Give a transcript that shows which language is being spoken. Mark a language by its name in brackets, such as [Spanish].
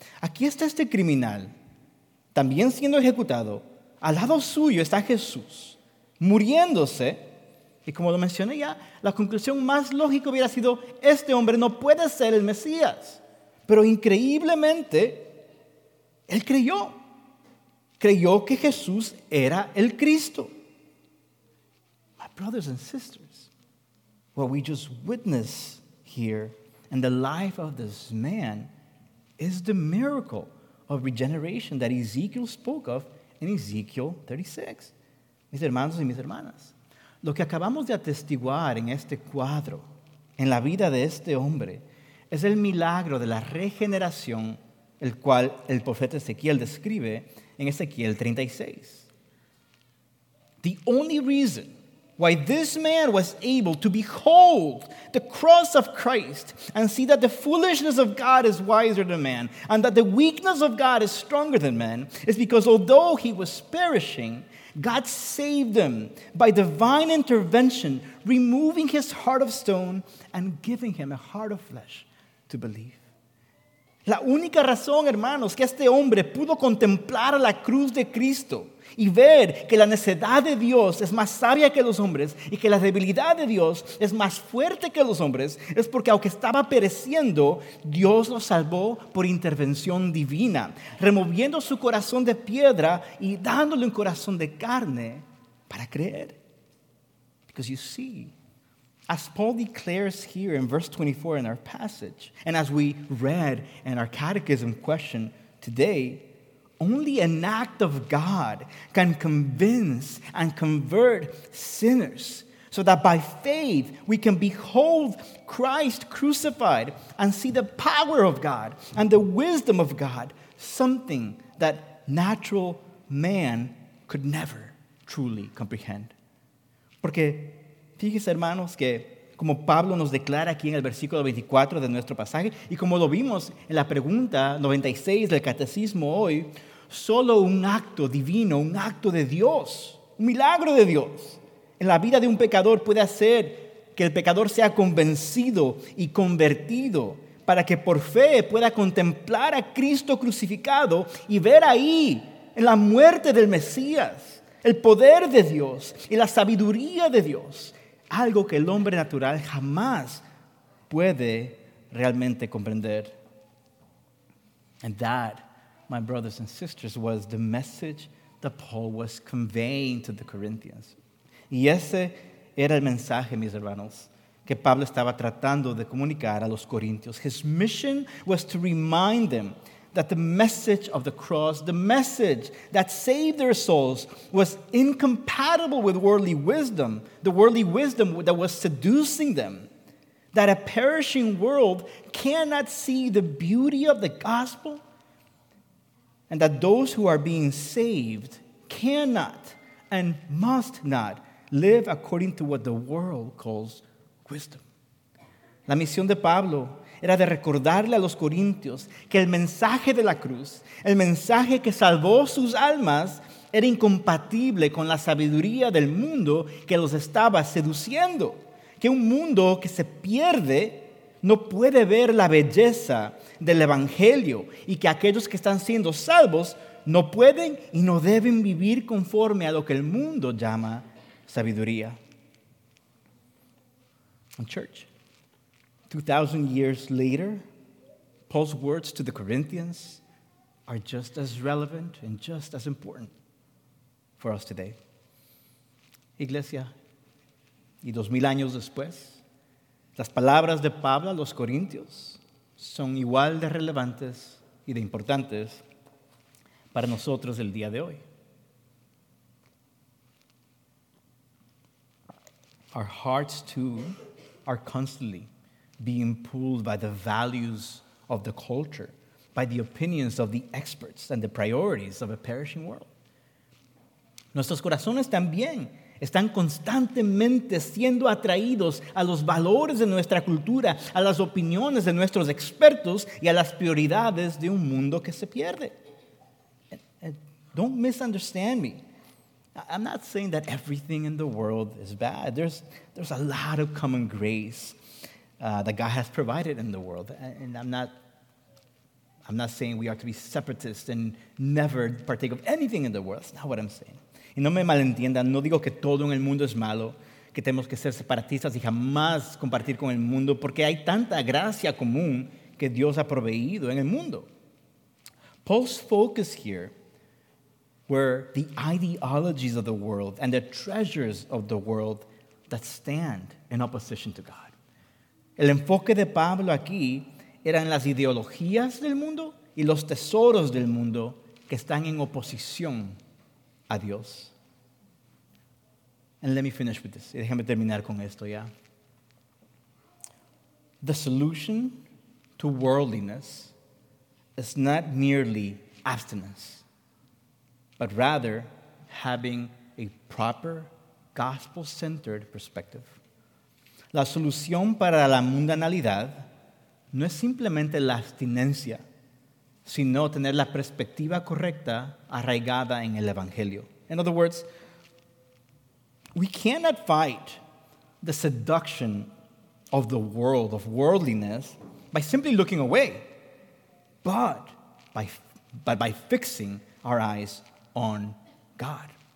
[Spanish] Aquí está este criminal, también siendo ejecutado, al lado suyo está Jesús, muriéndose. Y como lo mencioné ya, la conclusión más lógica hubiera sido, este hombre no puede ser el Mesías. Pero increíblemente, él creyó. Creyó que Jesús era el Cristo. [English] My brothers and sisters, what we just witnessed here in the life of this man is the miracle of regeneration that Ezekiel spoke of in Ezekiel 36. [Spanish] Mis hermanos y mis hermanas, lo que acabamos de atestiguar en este cuadro, en la vida de este hombre, es el milagro de la regeneración, el cual el profeta Ezequiel describe en Ezequiel 36. [English] The only reason why this man was able to behold the cross of Christ and see that the foolishness of God is wiser than man and that the weakness of God is stronger than man is because although he was perishing, God saved him by divine intervention, removing his heart of stone and giving him a heart of flesh to believe. [Spanish] La única razón, hermanos, que este hombre pudo contemplar la cruz de Cristo y ver que la necedad de Dios es más sabia que los hombres y que la debilidad de Dios es más fuerte que los hombres es porque aunque estaba pereciendo, Dios lo salvó por intervención divina, removiendo su corazón de piedra y dándole un corazón de carne para creer. [English] Because you see, as Paul declares here in verse 24 in our passage, and as we read in our catechism question today, only an act of God can convince and convert sinners so that by faith we can behold Christ crucified and see the power of God and the wisdom of God, something that natural man could never truly comprehend. [Spanish] Porque fíjese, hermanos, que como Pablo nos declara aquí en el versículo 24 de nuestro pasaje, y como lo vimos en la pregunta 96 del catecismo hoy, solo un acto divino, un acto de Dios, un milagro de Dios en la vida de un pecador puede hacer que el pecador sea convencido y convertido para que por fe pueda contemplar a Cristo crucificado y ver ahí en la muerte del Mesías el poder de Dios y la sabiduría de Dios, algo que el hombre natural jamás puede realmente comprender. [English] And that, my brothers and sisters, was the message that Paul was conveying to the Corinthians. [Spanish] Y ese era el mensaje, mis hermanos, que Pablo estaba tratando de comunicar a los corintios. [English] His mission was to remind them that the message of the cross, the message that saved their souls, was incompatible with worldly wisdom, the worldly wisdom that was seducing them, that a perishing world cannot see the beauty of the gospel, and that those who are being saved cannot and must not live according to what the world calls wisdom. [Spanish] La misión de Pablo era de recordarle a los corintios que el mensaje de la cruz, el mensaje que salvó sus almas, era incompatible con la sabiduría del mundo que los estaba seduciendo. Que un mundo que se pierde no puede ver la belleza del evangelio y que aquellos que están siendo salvos no pueden y no deben vivir conforme a lo que el mundo llama sabiduría. [English] And church, 2,000 years later, Paul's words to the Corinthians are just as relevant and just as important for us today. [Spanish] Iglesia, y 2,000 años después, las palabras de Pablo a los corintios son igual de relevantes y de importantes para nosotros el día de hoy. [English] Our hearts too are constantly being pulled by the values of the culture, by the opinions of the experts and the priorities of a perishing world. [Spanish] Nuestros corazones también están constantemente siendo atraídos a los valores de nuestra cultura, a las opiniones de nuestros expertos y a las prioridades de un mundo que se pierde. [English] Don't misunderstand me. I'm not saying that everything in the world is bad. There's a lot of common grace that God has provided in the world. And I'm not saying we are to be separatists and never partake of anything in the world. That's not what I'm saying. [Spanish] Y no me malentiendan, no digo que todo en el mundo es malo, que tenemos que ser separatistas y jamás compartir con el mundo, porque hay tanta gracia común que Dios ha proveído en el mundo. [English] Paul's focus here were the ideologies of the world and the treasures of the world that stand in opposition to God. [Spanish] El enfoque de Pablo aquí eran las ideologías del mundo y los tesoros del mundo que están en oposición a Dios. [English] And let me finish with this. [Spanish] Déjame terminar con esto ya. [English] The solution to worldliness is not merely abstinence, but rather having a proper gospel-centered perspective. [Spanish] La solución para la mundanalidad no es simplemente la abstinencia, sino tener la perspectiva correcta arraigada en el Evangelio. [English] In other words, we cannot fight the seduction of the world, of worldliness, by simply looking away. but by fixing our eyes on God.